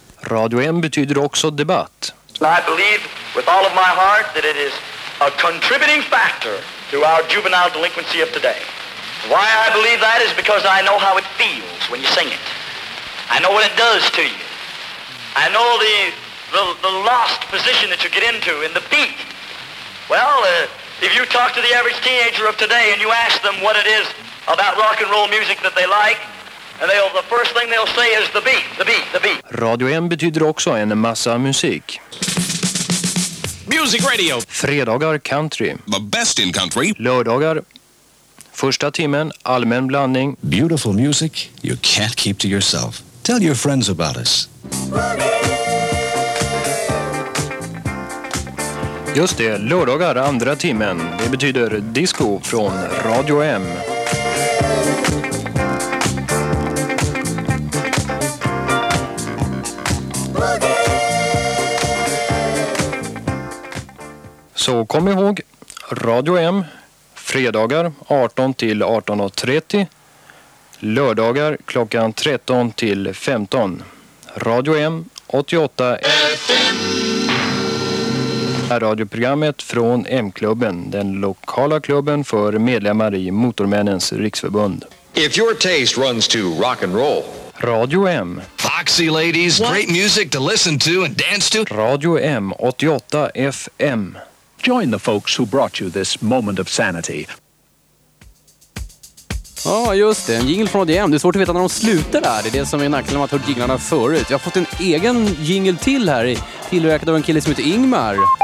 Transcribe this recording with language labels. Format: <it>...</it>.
<sv>Radio M betyder också debatt.</sv> <en>I believe with all of my heart that it is a contributing factor to our juvenile delinquency of today. Why I believe that is because I know how it feels when you sing it. I know what it does to you. I know the lost position that you get into in the beat. Well, if you talk to the average teenager of today and you ask them what it is about rock and roll music that they like, and the first thing they'll say is the beat, the beat, the beat.</en> <sv>Radio M betyder också en massa musik.</sv> <en>Music radio.</en> <sv>Fredagar country.</sv> <en>The best in country.</en> <sv>Lördagar. Första timmen, allmän blandning.</sv> <en>Beautiful music you can't keep to yourself. Tell your friends about us.</en> <sv>Just det, lördagar andra timmen. Det betyder disco från Radio M. Så kom ihåg, Radio M, fredagar 18-18.30. Lördagar klockan 13-15. Radio M, 88 FM. Här radioprogrammet från M-klubben, den lokala klubben för medlemmar i Motormännens riksförbund.</sv> <en>If your taste runs to rock and roll. Radio M. Foxy ladies, what? Great music to listen to and dance to.</en> <sv>Radio M, 88 FM.</sv> <en>Join the folks who brought you this moment of sanity.</en> <sv>Ja, just det. En jingle från ADM. Det är svårt att veta när de slutar där. Det är det som är nackligen om att ha hört jinglarna förut. Jag har fått en egen jingle till här, tillverkad av en kille som heter Ingmar.</sv>